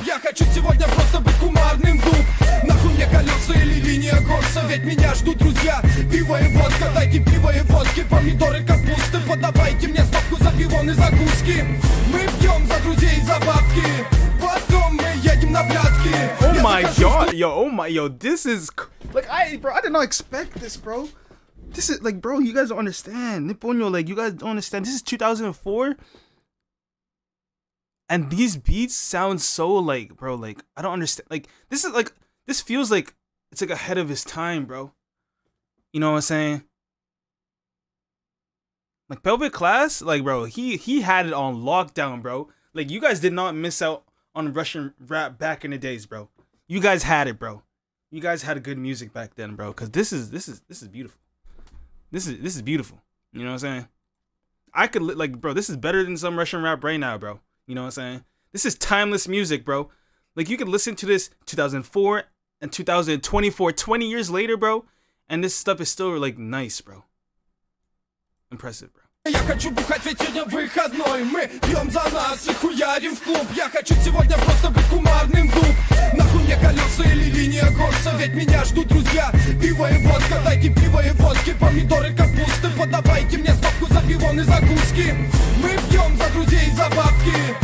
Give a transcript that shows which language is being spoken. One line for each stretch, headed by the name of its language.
Russian: Я хочу сегодня просто быть кумарным дуб. Нахуй мне колеса или линия горса. Ведь меня ждут друзья, пиво и водка. Дайте пиво и водки, помидоры, капусты. Подавайте мне стопку за пивон и закуски. Мы пьем за друзей, за бабки. Потом мы едем на блядки.
English: Oh my god, yo, oh my, yo, this is like, I did not expect this, bro. This is like, bro, you guys don't understand. Nipponyo, like, you guys don't understand. This is 2004. And these beats sound so like, bro, like, I don't understand. Like, this is like, this feels like it's like ahead of his time, bro. You know what I'm saying? Like, Pelvic Class, like, bro, he had it on lockdown, bro. Like, you guys did not miss out on Russian rap back in the days, bro. You guys had it, bro. You guys had good music back then, bro. Cause this is beautiful. This is beautiful. You know what I'm saying? I could, like, bro, this is better than some Russian rap right now, bro. You know what I'm saying? This is timeless music, bro. Like, you could listen to this 2004 and 2024, 20 years later, bro, and this stuff is still, like, nice, bro. Impressive, bro.
Russian: Я хочу бухать, ведь сегодня выходной. Мы пьем за нас и хуярим в клуб. Я хочу сегодня просто быть кумарным дуб. Нахуй мне колеса или линия горса. Ведь меня ждут друзья, пиво и водка. Дайте пиво и водки, помидоры, капусты. Подавайте мне стопку за пивон и закуски. Мы пьем за друзей, за бабки.